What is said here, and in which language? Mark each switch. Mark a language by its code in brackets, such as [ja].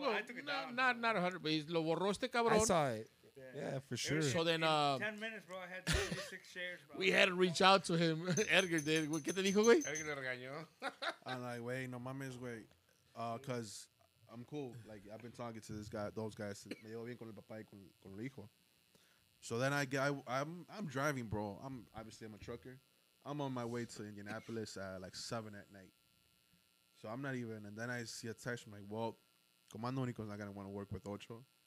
[en] Well, I took it down, not 100, but he's [es] lo borró este cabrón. [en] I saw it. Yeah, for sure. So then, 10 minutes, bro. I had 26 shares, bro. We had to reach out to him. Edgar did. [es] ¿Qué te dijo, güey? Edgar le regañó. [en] I'm like, wait, [es] no mames, güey. [en] Because I'm cool. Like, I've been talking to this guy, those guys. [es] Me llevo bien con el papá y con el hijo. [en] So then I'm driving, bro. I'm obviously a trucker. I'm on my way to Indianapolis at like 7 at night. So I'm not even. And then I see a text from like, well, Comando Único's not going to want to work with Ocho.